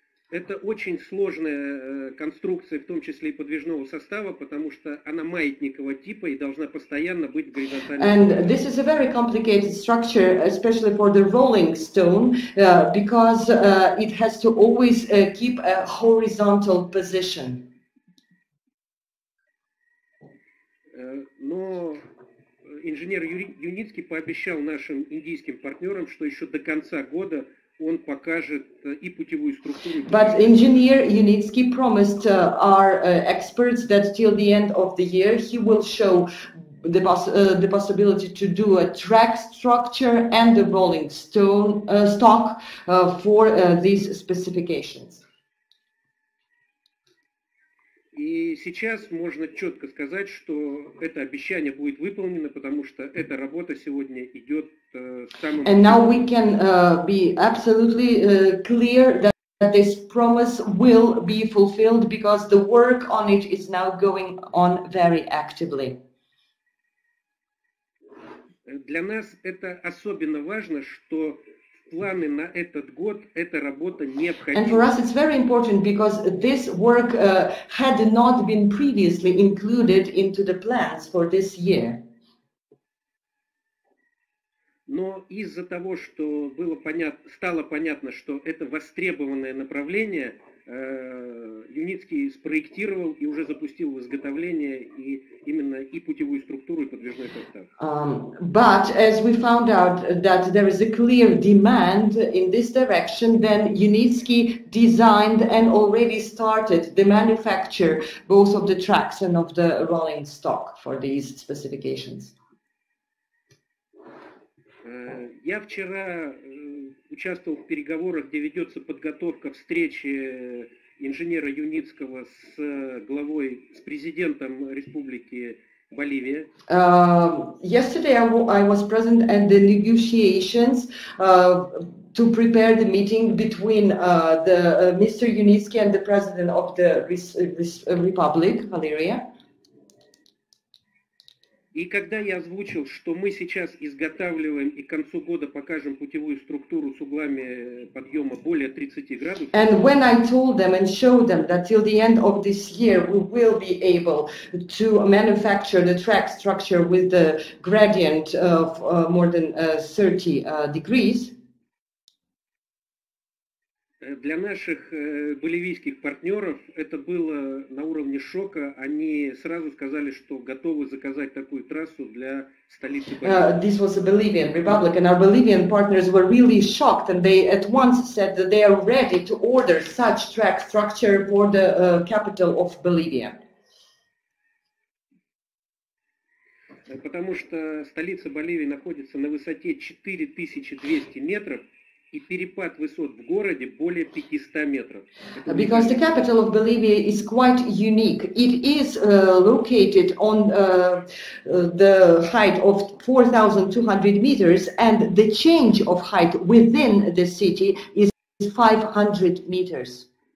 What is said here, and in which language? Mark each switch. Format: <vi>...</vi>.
<ru>Это очень сложная конструкция, в том числе и подвижного состава, потому что она маятникового типа и должна постоянно быть в горизонтальном.</ru> <en>And this is a very complicated structure, especially for the rolling stone, because it has to always keep a horizontal position.</en> <ru>Но инженер Юницкий пообещал нашим индийским партнерам, что еще до конца года он покажет и путевую структуру.</ru> <en>But engineer Yunitsky promised our experts that till the end of the year he will show the possibility to do a track structure and the rolling stone stock for these specifications.</en> <ru>И сейчас можно четко сказать, что это обещание будет выполнено, потому что эта работа сегодня идет.</ru> <en>And now we can be absolutely clear that this promise will be fulfilled, because the work on it is now going on very actively.</en> <ru>Для нас это особенно важно, что в планы на этот год эта работа необходима.</ru> <en>And for us it's very important, because this work had not been previously included into the plans for this year.</en> <ru>Но из-за того, что стало понятно, что это востребованное направление, Юницкий спроектировал и уже запустил в изготовление именно путевую структуру и подвижной состав.</ru> <en>But as we found out that there is a clear demand in this direction, then Юницкий designed and already started the manufacture both of the tracks and of the rolling stock for these specifications.</en> <ru>Я вчера участвовал в переговорах, где ведется подготовка встречи инженера Юницкого с президентом Республики Bolivia.</ru> <en>Yesterday I was present at the negotiations to prepare the meeting between the Mr. Yunitsky and the president of the Republic, Valeria.</en> <ru>И когда я озвучил, что мы сейчас изготавливаем и к концу года покажем путевую структуру с углами подъема более 30 градусов.</ru> <en>And when I told them and showed them that till the end of this year we will be able to manufacture the track structure with the gradient of more than 30 degrees.</en> <ru>Для наших боливийских партнеров это было на уровне шока. Они сразу сказали, что готовы заказать такую трассу для столицы Боливии.</ru> <en>This was a Bolivian Republic, and our Bolivian partners were really shocked, and they at once said that they are ready to order such track structure for the capital of Bolivia.</en> <ru>Потому что столица Боливии находится на высоте 4200 метров. И перепад высот в городе более 500 метров.</ru> <en>Because the capital of Bolivia is quite unique. It is located on the height of 4,200 meters, and the change of height within the city is 500 meters.</en>